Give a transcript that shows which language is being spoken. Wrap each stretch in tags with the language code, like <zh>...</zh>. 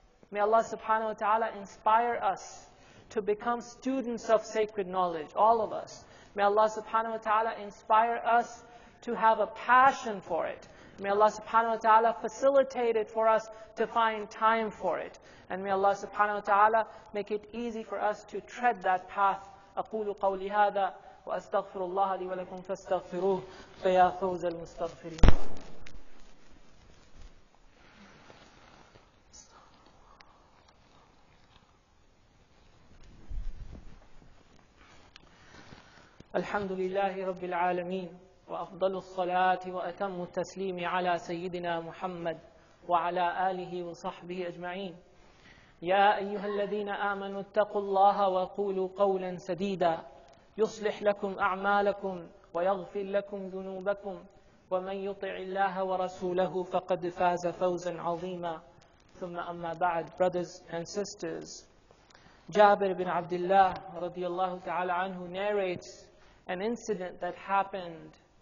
<en>May Allah subhanahu wa ta'ala inspire us to become students of sacred knowledge, all of us. May Allah subhanahu wa ta'ala inspire us to have a passion for it. May Allah subhanahu wa ta'ala facilitate it for us to find time for it. And may Allah subhanahu wa ta'ala make it easy for us to tread that path.</en> <ar>أقول قولي هذا وأستغفر الله لي ولكم فاستغفروه فيا فوز المستغفرين. الحمد لله رب العالمين وأفضل الصلاة وأتم التسليم على سيدنا محمد وعلى آله وصحبه أجمعين. يا أيها الذين آمنوا اتقوا الله وقولوا قولا سديدا يصلح لكم أعمالكم ويغفر لكم ذنوبكم ومن يطع الله ورسوله فقد فاز فوزا عظيما ثم أما بعد brothers and sisters Jabir ibn Abdullah radiallahu ta'ala anhu narrates an incident that happened</ar>